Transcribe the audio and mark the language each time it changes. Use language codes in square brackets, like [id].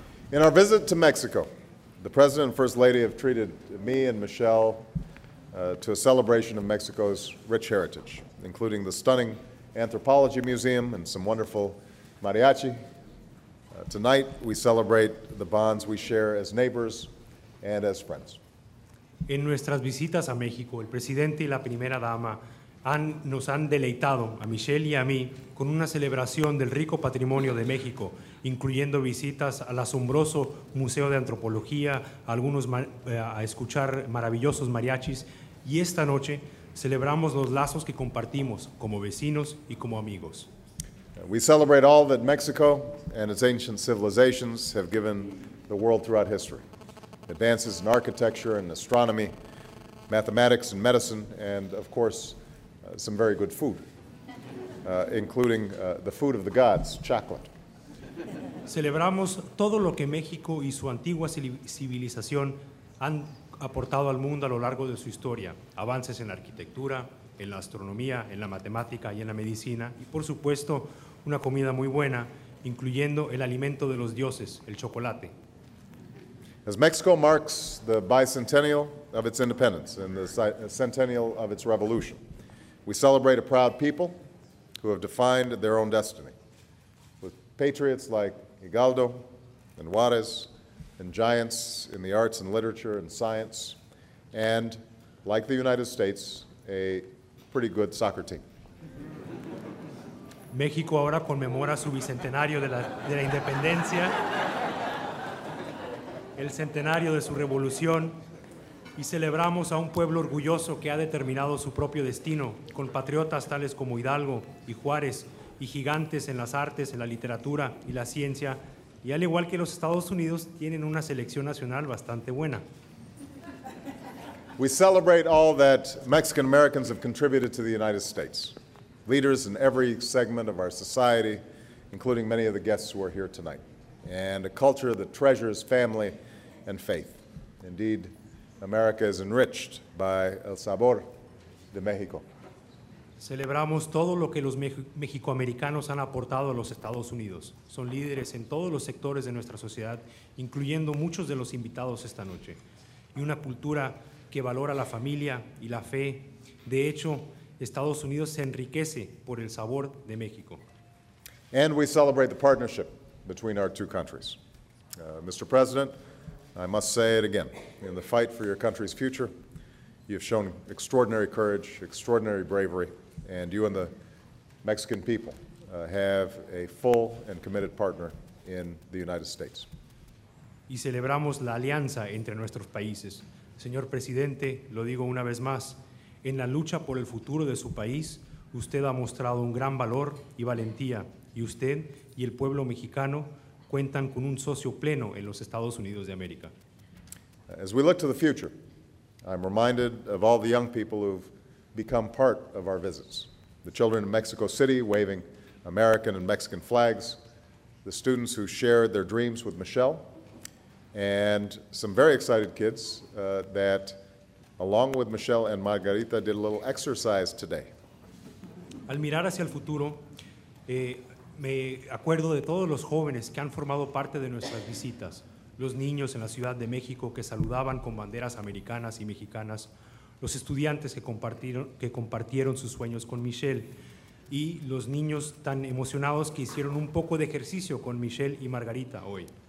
[en] In our visit to Mexico, the President and First Lady have treated me and Michelle to a celebration of Mexico's rich heritage, including the stunning Anthropology Museum and some wonderful mariachi. Tonight we celebrate the bonds we share as neighbors and as friends. [es] En nuestras visitas a México, el presidente y la primera dama nos han deleitado a Michelle y a mí con una celebración del rico patrimonio de México, incluyendo visitas al asombroso Museo de Antropología, a escuchar maravillosos mariachis, y esta noche celebramos los lazos que compartimos como vecinos y como amigos. [en] We celebrate all that Mexico and its ancient civilizations have given the world throughout history. Advances in architecture and astronomy, mathematics and medicine, and of course, some very good food, including the food of the gods, chocolate. [es] Celebramos todo lo que México y su antigua civilización han aportado al mundo a lo largo de su historia, avances en la arquitectura, en la astronomía, en la matemática y en la medicina, y por supuesto, una comida muy buena, incluyendo el alimento de los dioses, el chocolate. [en] As Mexico marks the bicentennial of its independence and the centennial of its revolution, we celebrate a proud people who have defined their own destiny, with patriots like Hidalgo and Juarez, and giants in the arts and literature and science, and, like the United States, a pretty good soccer team. [es] México ahora conmemora su bicentenario de la independencia, el centenario de su revolución, y celebramos a un pueblo orgulloso que ha determinado su propio destino, con patriotas tales como Hidalgo y Juárez, y gigantes en las artes, en la literatura y la ciencia. Y al igual que los Estados Unidos, tienen una selección nacional bastante buena. [en] We celebrate all that Mexican Americans have contributed to the United States. Leaders in every segment of our society, including many of the guests who are here tonight. And a culture that treasures family and faith. Indeed, America is enriched by [es] el sabor de México. Celebramos todo lo que los mexicoamericanos han aportado a los Estados Unidos. Son líderes en todos los sectores de nuestra sociedad, incluyendo muchos de los invitados esta noche. Y una cultura que valora la familia y la fe. De hecho, Estados Unidos se enriquece por el sabor de México. [en] And we celebrate the partnership between our two countries. Mr. President, I must say it again. In the fight for your country's future, you have shown extraordinary courage, extraordinary bravery, and you and the Mexican people have a full and committed partner in the United States. [es] Y celebramos la alianza entre nuestros países. Señor Presidente, lo digo una vez más, en la lucha por el futuro de su país, usted ha mostrado un gran valor y valentía, y usted y el pueblo mexicano cuentan con un socio pleno en los Estados Unidos de América. [en] As we look to the future, I'm reminded of all the young people who've become part of our visits. The children in Mexico City waving American and Mexican flags, the students who shared their dreams with Michelle, and some very excited kids that, along with Michelle and Margarita, did a little exercise today. [es] Al mirar hacia el futuro, me acuerdo de todos los jóvenes que han formado parte de nuestras visitas, los niños en la Ciudad de México que saludaban con banderas americanas y mexicanas, los estudiantes que compartieron sus sueños con Michelle y los niños tan emocionados que hicieron un poco de ejercicio con Michelle y Margarita hoy.